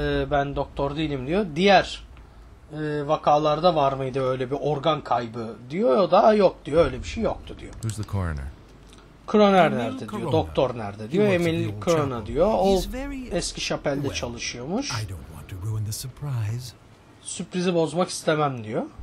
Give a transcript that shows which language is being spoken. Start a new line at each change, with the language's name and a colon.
Turkish: Ben doktor değilim diyor. Diğer vakalarda var mıydı öyle bir organ kaybı diyor. O da yok diyor. Öyle bir şey yoktu diyor.
English: Who's the coroner?
Turkish: Kroner nerede diyor. Doktor nerede diyor. Emil Krona diyor. O eski şapelde çalışıyormuş.
English: I don't want to ruin the surprise.
Turkish: Sürprizi bozmak istemem diyor.